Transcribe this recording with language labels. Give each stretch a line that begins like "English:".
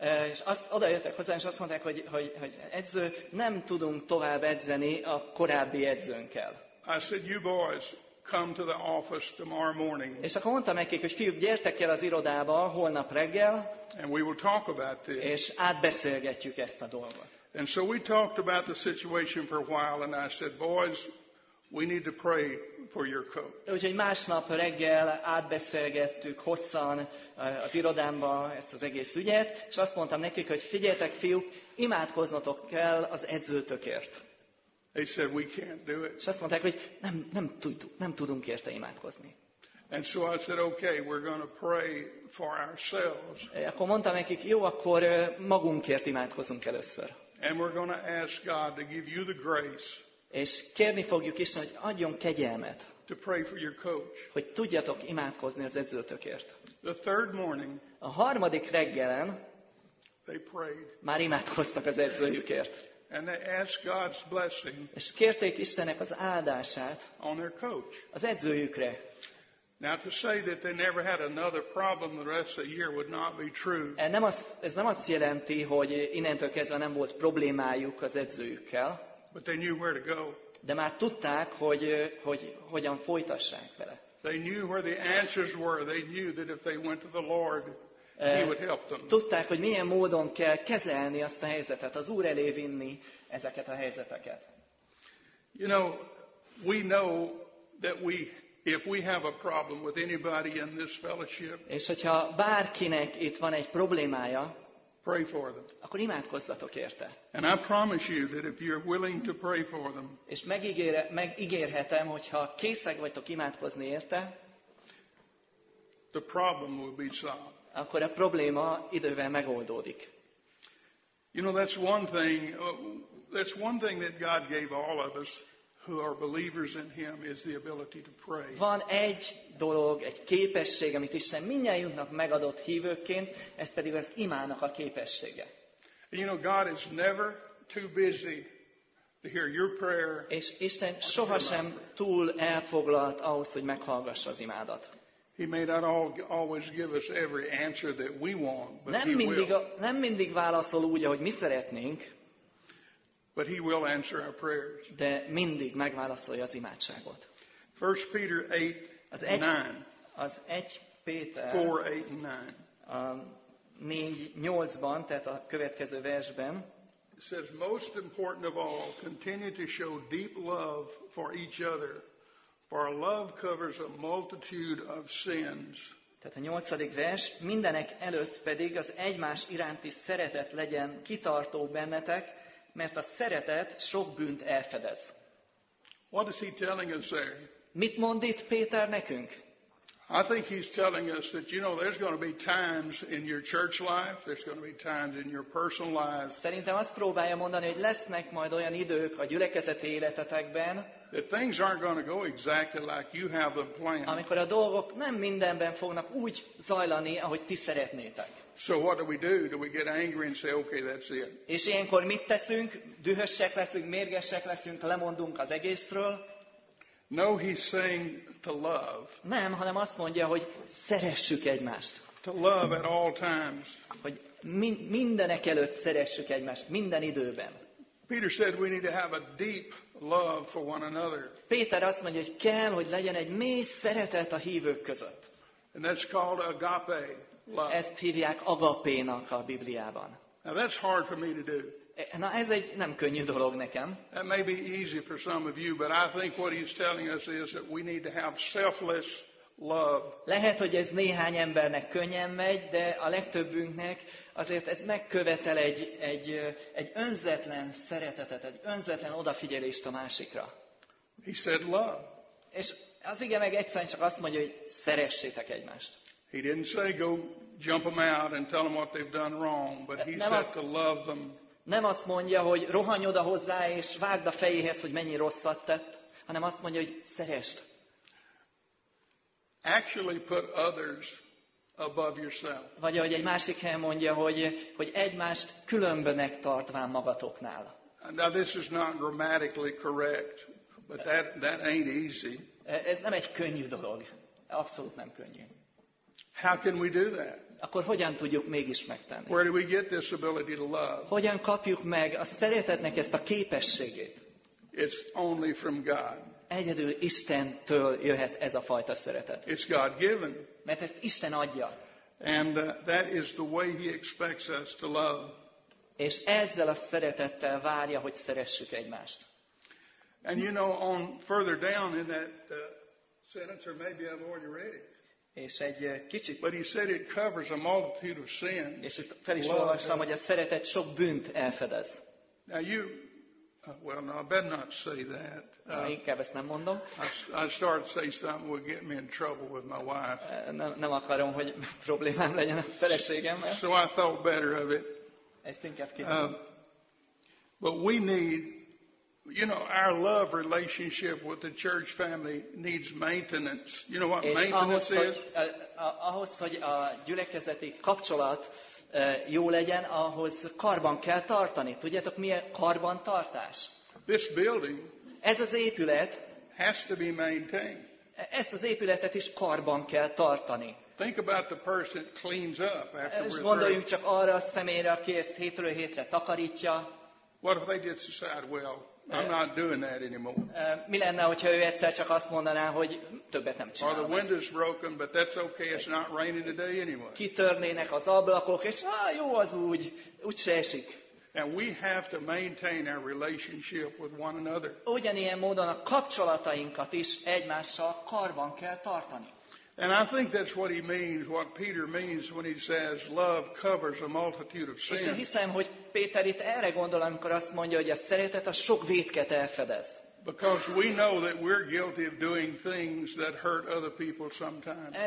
Hungarian: És azt odajöttek hozzá, és azt mondták, hogy edző, nem tudunk tovább edzeni a korábbi edzőnkkel.
English: I said, you boys, come to the office tomorrow morning.
Hungarian: És akkor mondtam nekik, hogy fiúk, gyertek el az irodába holnap reggel.
English: And we will talk about this.
Hungarian: És átbeszélgetjük ezt a dolgot.
English: And so we talked about the situation for a while, and I said, boys, we need to pray for your coach.
Hungarian: Úgyhogy másnap reggel átbeszélgettük hosszan az irodámba ezt az egész ügyet, és azt mondtam nekik, hogy figyeltek fiúk, imádkoznotok kell az edzőtökért.
English: They said we can't do it.
Hungarian: És azt mondták, hogy nem tudunk érte imádkozni.
English: And so I said, okay, we're going to pray for ourselves.
Hungarian: Akkor mondtam nekik, jó, akkor magunkért imádkozunk először.
English: And we're going to ask God to give you the grace.
Hungarian: És kérni fogjuk Isten, hogy adjon kegyelmet.
English: To pray for your coach.
Hungarian: Hogy tudjatok imádkozni az edzőtökért.
English: The third morning.
Hungarian: A harmadik reggelen.
English: They prayed.
Hungarian: Már imádkoztak az edzőjükért.
English: And they asked God's blessing.
Hungarian: És kérték Istennek az áldását.
English: On their coach.
Hungarian: Az edzőjükre.
English: Now to say that they never had another problem the rest of the year would not be true.
Hungarian: Ez nem azt jelenti, hogy innentől kezdve nem volt problémájuk az edzőjükkel.
English: But they knew where to go.
Hungarian: De már tudták, hogy hogyan folytassák vele.
English: They knew where the answers were. They knew that if they went to the Lord, he would help them.
Hungarian: Tudták, hogy milyen módon kell kezelni azt a helyzetet, az Úr elé vinni ezeket a helyzeteket.
English: You know, we know that we if we have a problem with anybody in this fellowship.
Hungarian: És hogyha bárkinek itt van egy problémája,
English: pray for them.
Hungarian: Akkor imádkozzatok érte.
English: And I promise you that if you're willing to pray for them.
Hungarian: És megígérhetem, hogyha készek vagytok imádkozni érte,
English: the problem will be solved.
Hungarian: Akkor a probléma idővel megoldódik.
English: You know, that's one thing that God gave all of us who are believers in him is the ability to pray.
Hungarian: Van egy dolog, egy képesség, amit Isten mindnyájunknak megadott hívőként, ez pedig az imának a képessége.
English: You know, God is never too busy to hear your prayer.
Hungarian: És Isten sohasem túl elfoglalt ahhoz, hogy meghallgassa az imádat.
English: He may not always give us every answer that we want, but
Hungarian: nem
English: he
Hungarian: mindig,
English: will.
Hungarian: Nem mindig válaszol úgy, ahogy mi szeretnénk.
English: But he will answer our prayers.
Hungarian: De mindig megválaszolja az imádságot.
English: 1 Peter 8, 9.
Hungarian: Az 1 Péter 4, 8, 9. 4-8-ban, tehát a következő versben.
English: It says, most important of all, continue to show deep love for each other. For love covers a multitude of sins.
Hungarian: Tehát a 8. vers, mindenek előtt pedig az egymás iránti szeretet legyen kitartó bennetek, mert a szeretet sok bűnt elfedez.
English: What is he telling us there?
Hungarian: Mit mond itt Péter nekünk?
English: I think he's telling us that you know there's going to be times in your church life, there's going to be times in your personal life.
Hungarian: Szerintem azt próbálja mondani, hogy lesznek majd olyan idők a gyülekezeti életetekben,
English: that things aren't going to go exactly like you have them planned.
Hungarian: Amikor a dolgok nem mindenben fognak úgy zajlani, ahogy ti szeretnétek.
English: So what do we do? Do we get angry and say, okay, that's it?
Hungarian: És ilyenkor mit teszünk? Dühösek leszünk, mérgesek leszünk, lemondunk az egészről?
English: No, he's saying to love.
Hungarian: Nem, hanem azt mondja, hogy szeressük egymást.
English: To love at all times.
Hungarian: Hogy mindenek előtt szeressük egymást, minden időben.
English: Peter said we need to have a deep love for one another.
Hungarian: Péter azt mondja, hogy kell, hogy legyen egy mély szeretet a hívők között.
English: And that's called agape love.
Hungarian: Ezt hívják agapénak a Bibliában.
English: Now that's hard for me to do.
Hungarian: Na, ez egy nem könnyű dolog nekem.
English: That may be easy for some of you, but I think what he's telling us is that we need to have selfless love.
Hungarian: Lehet, hogy ez néhány embernek könnyen megy, de a legtöbbünknek azért ez megkövetel egy önzetlen szeretetet, egy önzetlen odafigyelést a másikra.
English: He said love.
Hungarian: És az ige meg egyszerűen csak azt mondja, hogy szeressétek egymást.
English: He didn't say go jump them out and tell them what they've done wrong, but he said to love them.
Hungarian: Nem azt mondja, hogy rohanj oda hozzá és vágd a fejéhez, hogy mennyi rosszat tett, hanem azt mondja, hogy szeresd.
English: Actually put others above yourself.
Hungarian: Vagy ahogy egy másik helyen mondja, hogy egymást különbönek tartván magatoknál.
English: Now this is not grammatically correct, but that ain't easy.
Hungarian: Ez nem egy könnyű dolog. Abszolút nem könnyű.
English: How can we do that?
Hungarian: Akkor hogyan tudjuk mégis megtenni?
English: Where do we get this ability to love?
Hungarian: Hogyan kapjuk meg a szeretetnek ezt a képességét?
English: It's only from God.
Hungarian: Egyedül Istentől jöhet ez a fajta szeretet.
English: It's God given.
Hungarian: Mert ezt Isten adja.
English: And that is the way he expects us to love.
Hungarian: És ezzel a szeretettel várja, hogy szeressük egymást.
English: And you know, on further down in that sentence, or maybe I've already read it.
Hungarian: És egy kicsit.
English: But he said it covers a multitude of sins.
Hungarian: És fel is olvastam, hogy a szeretet sok bűnt elfedez.
English: Now you, well, no, I better not say that.
Hungarian: Inkább ezt nem mondom.
English: I start to say something would get me in trouble with my wife.
Hungarian: Nem akarom, hogy problémám legyen a feleségemmel.
English: So I thought better of it. But we need, you know, our love relationship with the church family needs maintenance. You know what maintenance is?
Hungarian: Ahhoz, hogy a gyülekezeti kapcsolat jó legyen, ahhoz karban kell tartani. Tudjátok, mi a karbantartás?
English: This building,
Hungarian: ez az épület,
English: has to be maintained.
Hungarian: Ezt az épületet is karban kell tartani.
English: Think about the person that cleans up after.
Hungarian: És gondoljunk csak arra a személyre, aki ezt hétről hétre takarítja.
English: What if they just decide, well, I'm not doing that anymore.
Hungarian: Mi lenne, hogyha ő egyszer csak azt mondaná, hogy többet nem csinálom.
English: Or the window's broken, but that's okay, it's not raining today anyway.
Hungarian: Kitörnének az ablakok, és jó az úgy, úgyse esik.
English: And we have to maintain our relationship with one another.
Hungarian: Ugyanilyen módon a kapcsolatainkat is egymással karban kell tartani.
English: And I think that's what he means, what Peter means when he says love covers a multitude of sins.
Hungarian: És én hiszem, hogy Péter itt erre gondol, amikor azt mondja, hogy a szeretet a sok vétket elfedez.
English: Because we know that we're guilty of doing things that hurt other people sometimes.